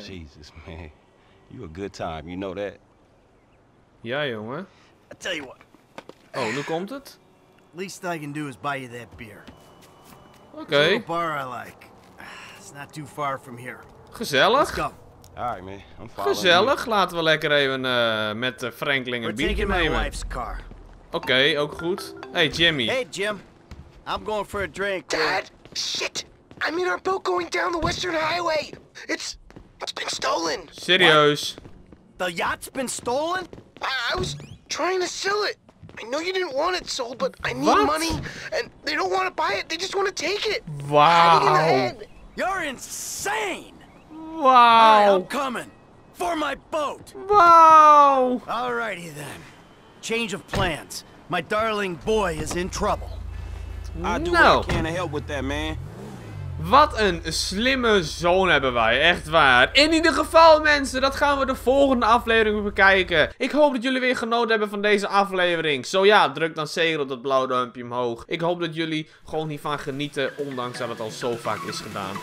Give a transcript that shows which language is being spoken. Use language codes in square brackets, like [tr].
[en] Jesus, man. You a good time, you know that? [nl] Yeah, jongen. [en] I tell you what. [nl] Oh, nu komt het. [en] Least I can do is buy you that beer. Okay. It's a bar I like. It's not too far from here. [nl] Gezellig. [en] Let's go. Alright, man. [nl] Gezellig. Laten we lekker even met Franklin een biertje nemen. Oké, ook goed. Hey, Jimmy. [en] Hey, Jim. I'm going for a drink. Dad! Shit! I'm in our boat going down the Western Highway! It's been stolen! [nl] Serieus? [en] What? The yacht's been stolen? I was trying to sell it. I know you didn't want it sold, but I need what? Money. And they don't want to buy it. They just want to take it. Wow. You're insane! Wow! All right, I'm coming for my boat. Wow! Alrighty then. Change of plans. My darling boy is in trouble. I do what I can to help with that, man. [nl] Wat een slimme zoon hebben wij, echt waar. In ieder geval mensen, dat gaan we de volgende aflevering bekijken. Ik hoop dat jullie weer genoten hebben van deze aflevering. Zo ja, druk dan zeker op dat blauw duimpje omhoog. Ik hoop dat jullie gewoon hiervan genieten, ondanks dat het al zo vaak is gedaan.